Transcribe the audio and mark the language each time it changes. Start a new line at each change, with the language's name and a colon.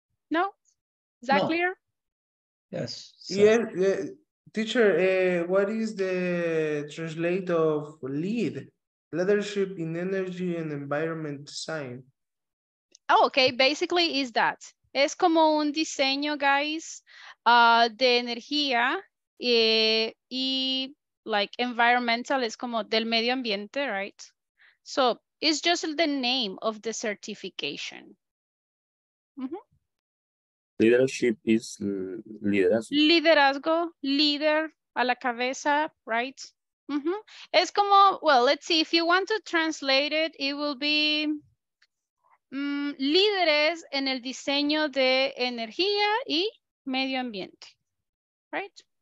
English: No? Is that clear? Yes. So. Teacher, what is the translate of LEED, leadership in energy and environment design? Oh, okay, basically is that.
Spanish: Es como un diseño, guys, de energía y
English: like environmental,
Spanish: es como del medio ambiente, right?
English: So it's just the name of the certification. Mm-hmm. Leadership is liderazgo.
Spanish: Liderazgo, líder, a la cabeza, right? Mm-hmm. Es como,
English: well, let's see, if you want to translate it, it will be
Spanish: líderes en el diseño de energía y medio ambiente,
English: right?